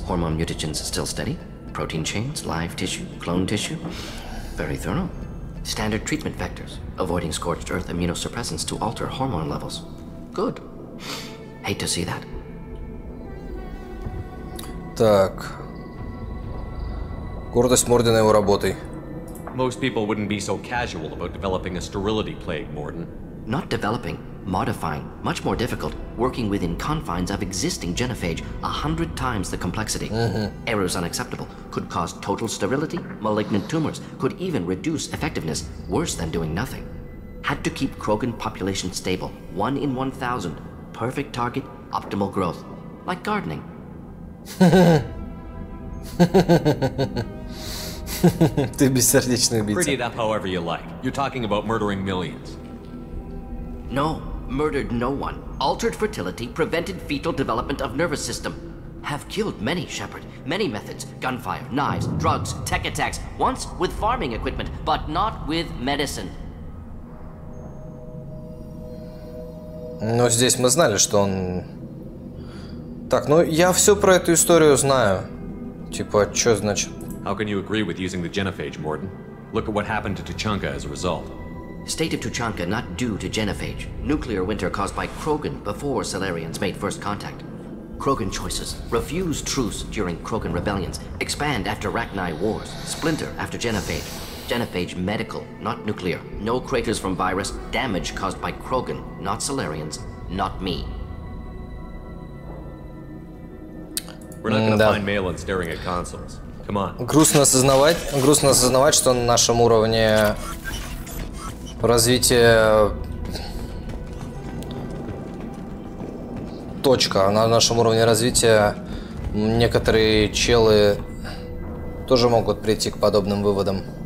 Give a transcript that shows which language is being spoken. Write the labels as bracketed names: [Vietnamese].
[English] Hormone mutagens still steady. Protein chains, live tissue, clone tissue. Very thorough. Standard treatment vectors. Avoiding scorched earth immunosuppressants to alter hormone levels. Good. Hate to see that. [Russian] Так. Гордость Мордена его работой. [English] Most people wouldn't be so casual about developing a sterility plague, Morden. Not developing, modifying. Much more difficult. Working within confines of existing genophage. 100 times the complexity. Errors unacceptable. Could cause total sterility. Malignant tumors. Could even reduce effectiveness. Worse than doing nothing. Had to keep Krogan population stable. 1 in 1,000. Perfect target, optimal growth. Like gardening. [Russian] Ты бессердечный убийца. [English] Pretty it up however you like. You're talking about murdering millions. No, murdered no one. Altered fertility, prevented fetal development of nervous system. Have killed many, Shepard. Many methods. Gunfire, knives, drugs, tech attacks. Once with farming equipment, but not with medicine. [Russian] Но здесь мы знали, что он... Так, ну я все про эту историю знаю. Типа, что значит? [English] How can you agree with using the genophage, Morden? Look at what happened to T'Chanka as a result. State of T'Chanka not due to genophage. Nuclear winter caused by Krogan before Salarians made first contact. Krogan choices. Refuse truce during Krogan rebellions. Expand after Rachni wars. Splinter after genophage. Genophage medical, not nuclear. No craters from virus. Damage caused by Krogan, not Salarians, not me. We're not gonna find Malin staring at consoles. Come on. [Russian] Грустно осознавать, что на нашем уровне развитие точка. На нашем уровне развития некоторые челы тоже могут прийти к подобным выводам.